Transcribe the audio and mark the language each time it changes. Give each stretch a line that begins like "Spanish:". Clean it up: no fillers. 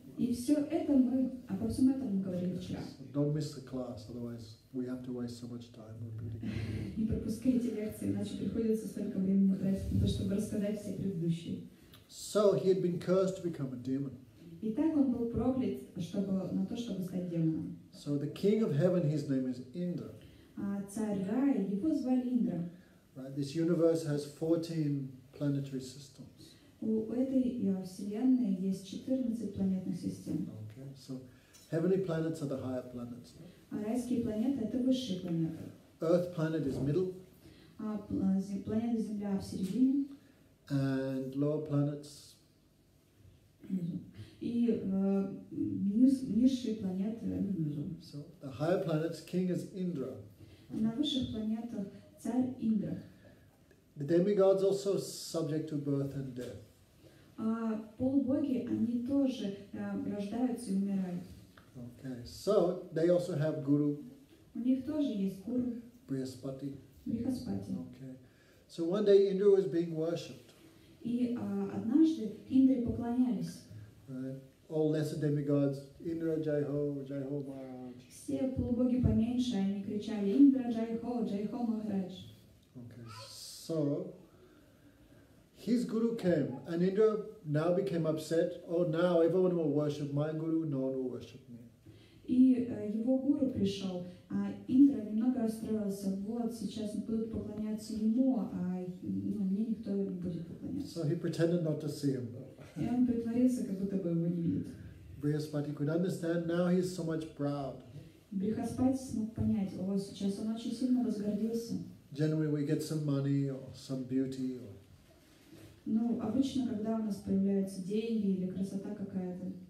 Russian: И все это мы обо всем этом говорили вчера.
English: So don't miss the class, otherwise we have to waste so much time repeating.
Russian: Не пропускайте лекции, иначе приходится столько времени тратить на то, чтобы рассказать все предыдущие.
English: So he had been cursed to become a demon.
Russian: И так он был проклят, чтобы стать демоном.
English: So the king of heaven, his name is Indra.
Russian: Царь рая, его звали Индра.
English: Right, this universe has 14 planetary systems.
Russian: У этой вселенной есть 14 планетных систем.
English: Okay, so heavenly planets are the higher planets.
Russian: А райские планеты это высшие планеты.
English: Earth planet is middle.
Russian: Планета Земля в середине.
English: And lower planets.
Russian: И низшие планеты внизу.
English: So the higher planets, king is Indra.
Russian: На высших планетах царь Индра.
English: The demigods also subject to birth and death.
Russian: А полубоги, они тоже рождаются и умирают.
English: Okay. So they also have guru.
Russian: У них тоже есть гуру. Брихаспати. Брихаспати.
English: Okay. So one day Indra was being worshipped.
Russian: И однажды Индре поклонялись.
English: All lesser demigods, Indra
Hindi: Jai Ho, Jai Ho Maharaj.
Russian: Все полубоги поменьше, они кричали Индра
Hindi: Jai Ho, Jai Ho Maharaj.
English: Okay. So his guru came, and Indra now became upset. Oh, now everyone will worship my guru, no one will worship me.
Russian: И его гуру пришел, а Индра немного расстроился. Вот сейчас будут поклоняться ему, а мне никто не будет поклоняться.
English: So he pretended not to see him.
Russian: И он притворился, как будто бы его не видит.
English: Брихаспати could understand. Now he's so much proud.
Russian: Брихаспати смог понять. О, сейчас он очень сильно возгордился.
English: Generally, we get some money or some beauty. Or...
Russian: Ну, обычно, когда у нас появляются деньги или красота какая-то.